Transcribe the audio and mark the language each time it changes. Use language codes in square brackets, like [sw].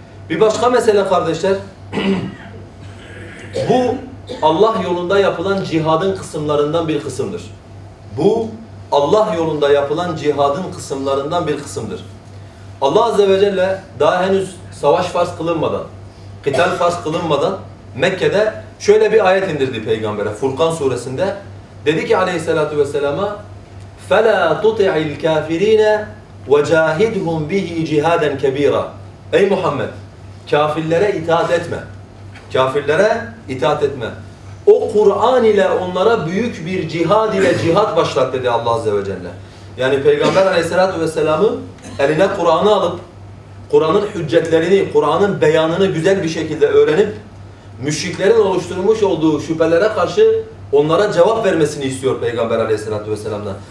[tr] Bir başka mesele kardeşler, bu Allah yolunda yapılan cihadın kısımlarından bir kısımdır. Bu Allah yolunda yapılan cihadın kısımlarından bir kısımdır. Allah Azze ve Celle daha henüz savaş farz kılınmadan, kıtal farz kılınmadan Mekke'de şöyle bir ayet indirdi Peygamber'e Furkan suresinde. Dedi ki aleyhissalatu vesselama, [ar] فَلَا تُطِعِ الْكَافِر۪ينَ وَجَاهِدْهُمْ بِهِ جِهَادًا كَب۪يرًا. [tr] Ey Muhammed, kafirlere itaat etme. Kafirlere itaat etme. O Kur'an ile onlara büyük bir cihad ile cihat başlat dedi Allah Azze ve Celle. Yani Peygamber aleyhissalatu vesselam'ı eline Kur'an'ı alıp, Kur'an'ın hüccetlerini, Kur'an'ın beyanını güzel bir şekilde öğrenip, müşriklerin oluşturmuş olduğu şüphelere karşı onlara cevap vermesini istiyor Peygamber aleyhissalatu vesselam'dan.